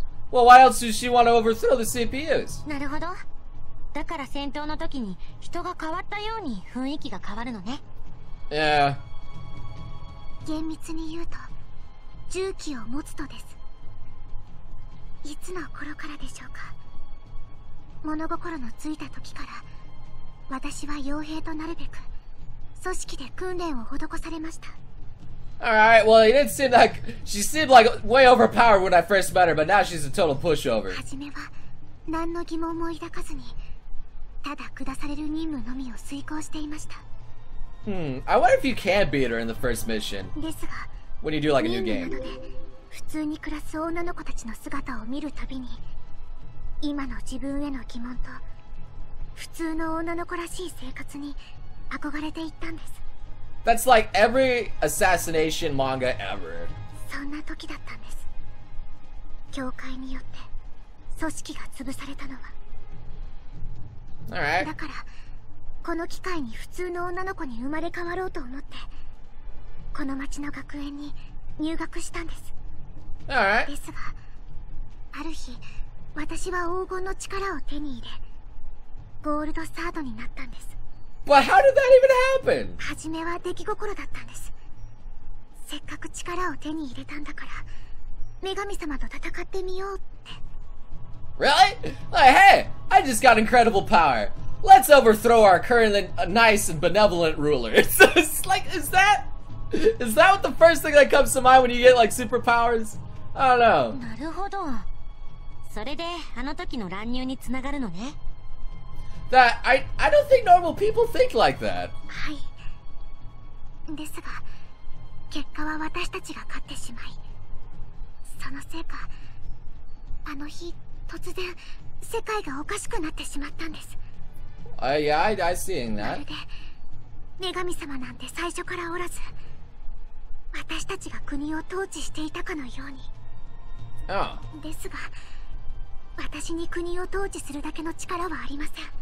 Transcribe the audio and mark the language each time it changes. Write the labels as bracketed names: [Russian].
[English] Well, why else does she want to overthrow the CPUs? [Japanese] なるほど。だから戦闘の時に人が変わったように雰囲気が変わるのね。厳密に言うと、銃器を持つとです。いつの頃からでしょうか。物心のついた時から私は傭兵となるべく 組織で訓練を施されました。 [English] Alright, well, he didn't seem like... She seemed like way overpowered when I first met her, but now she's a total pushover. [Japanese] 初めは何の疑問も抱かずに、ただ下される任務のみを遂行していました。 [English] I wonder if you can beat her in the first mission. [Japanese] ですが、 [English] When you do like a new game. [Japanese] 任務なので、普通に暮らす女の子たちの姿を見るたびに、今の自分への疑問と、普通の女の子らしい生活に、 [English] That's like every assassination manga ever. [Japanese] そんな時だったんです。教会によって組織が潰されたのは。だからこの機会に普通の女の子に生まれ変わろうと思って、この町の学園に入学したんです。ですがある日私は黄金の力を手に入れゴールドサードになったんです。 [English] But how did that even happen? [Japanese] 初めは出来心だったんです。せっかく力を手に入れたんだから、女神様と戦ってみようって。 [English] Really? Like, hey, I just got incredible power. Let's overthrow our currently nice and benevolent ruler. It's like, is that what the first thing that comes to mind when you get like superpowers? I don't know. [Japanese] なるほど。それであの時の乱入につながるのね。 [English] That I don't think normal people think like that. [Japanese] はい。ですが、結果は私たちが勝ってしまい、そのせいか、あの日突然世界がおかしくなってしまったんです。あ、いや、 [English] I'm seeing that。 [Japanese] まるで女神様なんて最初からおらず、私たちが国を統治していたかのように。ああ。ですが、私に国を統治するだけの力はありません。